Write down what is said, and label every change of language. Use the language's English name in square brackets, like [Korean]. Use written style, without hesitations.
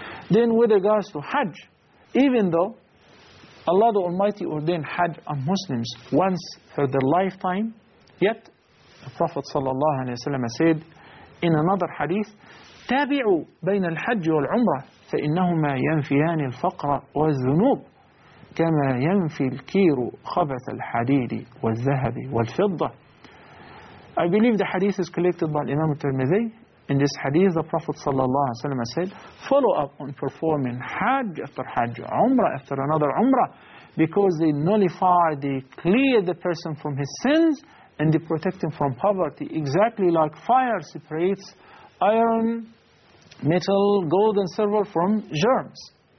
[English] Then with regards to Hajj, even though Allah the Almighty ordained Hajj on Muslims once for their lifetime, yet the Prophet sallallahu alaihi wasallam said in another hadith, [Arabic] تابعوا بين الحج والعمرة فإنهما ينفيان الفقر والذنوب. كما ينفي الكير خبث الحديد والذهب والفضة. [English] I believe the hadith is collected by Imam al-Tirmidhi. In this hadith, the Prophet ﷺ said, follow up on performing Hajj after Hajj, Umrah after another Umrah, because they nullify, they clear the person from his sins, and they protect him from poverty, exactly like fire separates iron, metal, gold, and silver from germs.